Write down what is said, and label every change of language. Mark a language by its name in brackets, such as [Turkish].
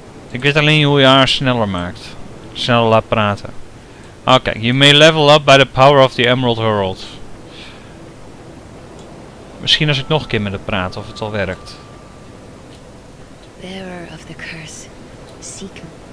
[Dutch] Ik weet alleen hoe je haar sneller maakt. Sneller laat praten. [English] Oké, okay, you may level up by the power of the Emerald Herald. [Dutch] Misschien als ik nog een keer met haar praat of het al werkt. [English] Bearer of the curse, seek me.